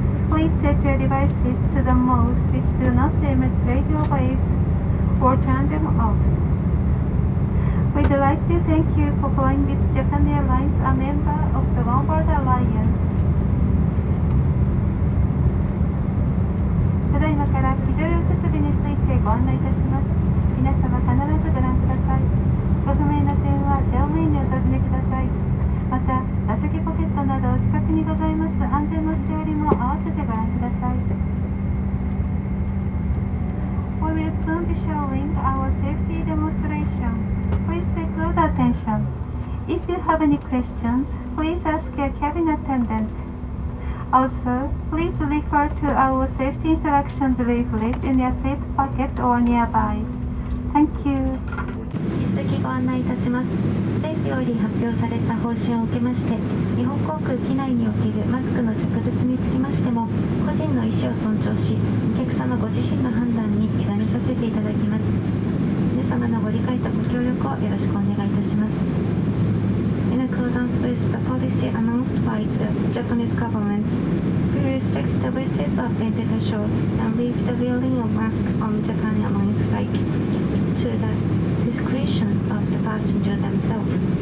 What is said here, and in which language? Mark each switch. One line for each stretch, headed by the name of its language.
English: Please set your devices to the mode which do not emit radio waves or turn them off. We'd like to thank you for flying with Japan Airlines, a member of the One World Alliance.
Japanese: ただいまから非常用設備についてご案内いたします。皆様必ずご覧ください。ご不明な点は乗務員にお尋ねください。また、座席ポケットなど近くにございます安全のしおりも合わせてご覧ください。
English: We will soon be showing our safety demonstration. Attention. If you have any questions, please ask your cabin attendant. Also, please refer to our safety instructions leaflet in your seat pocket or nearby. Thank you.
Japanese: 引き続きご案内いたします。政府より発表された方針を受けまして、日本航空機内におけるマスクの着脱につきましても、個人の意思を尊重し、お客様ご自身の判断に委ねさせていただきます。皆様のご理解とご協力をよろしくお願いいたします。
English: In accordance with the policy announced by the Japanese government, we respect the wishes of the individual and leave the wearing of masks on Japan Airlines flight to the discretion of the passenger themselves.